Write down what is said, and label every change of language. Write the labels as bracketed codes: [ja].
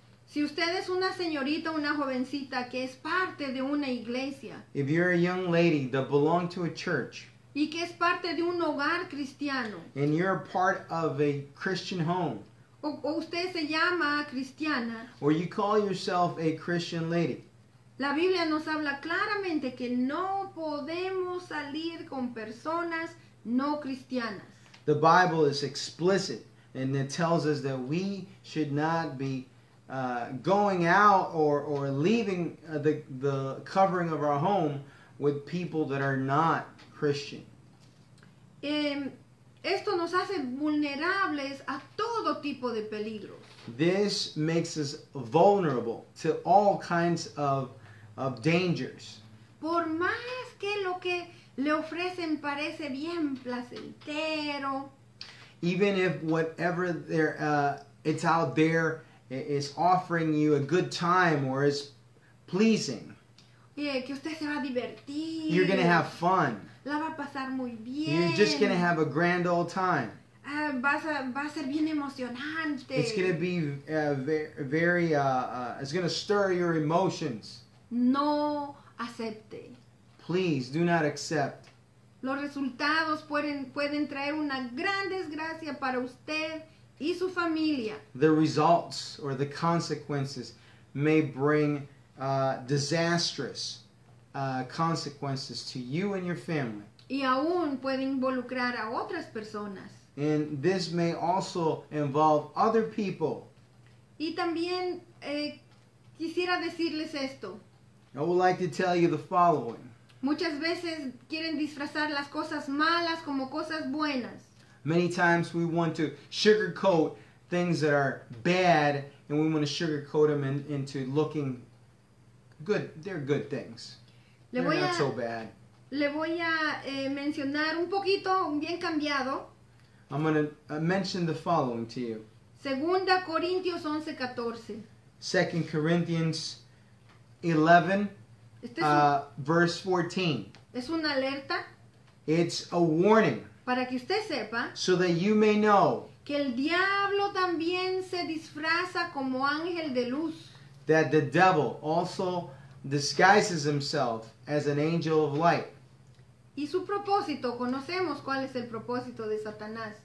[es] Si usted es una señorita, una jovencita que es parte de una iglesia. [en] If you're a young lady that belong to a church. [es] Y que es parte de un hogar cristiano. [en] And you're part of a Christian home. [es] O usted se llama cristiana. [en] Or you call yourself a Christian lady. [es] La Biblia nos habla claramente que no podemos salir con personas no cristianas. [en] The Bible is explicit and it tells us that we should not be going out or leaving the covering of our home with people that are not Christian. [es] Esto nos hace vulnerables a todo tipo de peligros. [en] This makes us vulnerable to all kinds of dangers. [es] Por más que lo que le ofrecen parece bien placentero. [en] Even if whatever it's out there is offering you a good time or is pleasing. [es] Yeah, que usted se va a divertir. [en] You're going to have fun. [es] La va a pasar muy bien. [en] You're just going to have a grand old time. [es] Va a ser bien emocionante. [en] It's going to be it's going to stir your emotions. [es] No acepte. [en] Please do not accept. [es] Los resultados pueden traer una gran desgracia para usted y su familia. [en] The results or the consequences may bring disastrous consequences to you and your family. [es] Y aún puede involucrar a otras personas. [en] And this may also involve other people. [es] Y también quisiera decirles esto. [en] I would like to tell you the following. [es] Muchas veces quieren disfrazar las cosas malas como cosas buenas. [en] Many times we want to sugarcoat things that are bad and we want to sugarcoat them into looking good. They're good things. They're not so bad. [es] Le voy a mencionar un poquito bien cambiado. [en] I'm going to mention the following to you. [es] 2 Corintios 11:14. [en] 2 Corinthians 11, verse 14. [es] Es una alerta. [en] It's a warning. [es] Para que usted sepa. [en] So that you may know. [es] Que el diablo también se disfraza como ángel de luz. [en] That the devil also disguises himself as an angel of light. [es] Y su propósito, conocemos cuál es el propósito de Satanás.